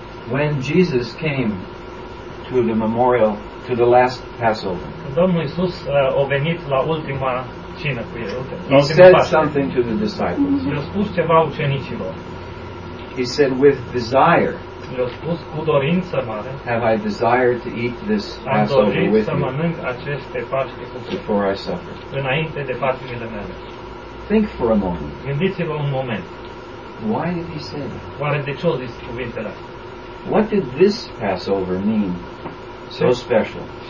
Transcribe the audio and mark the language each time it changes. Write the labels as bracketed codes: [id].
[en] When Jesus came to the memorial to the last Passover, [ro] Domnul Iisus a venit la ultima cină cu ei. [en] He said something to the disciples. [ro] I-a spus ceva ucenicilor. [en] He said with desire. [ro] Le-a spus cu dorință mare. [en] Have I desired to eat this Passover with you? [ro] Am dorit să mănânc aceste Paște cu voi. [en] Before I suffer. [ro] Înainte de patimile mele. [en] Think for a moment. [ro] Gândiți-vă un moment. [en] Why did he say that? [ro] Oare de ce a zis cuvintele astea? [en] What did this Passover mean so special?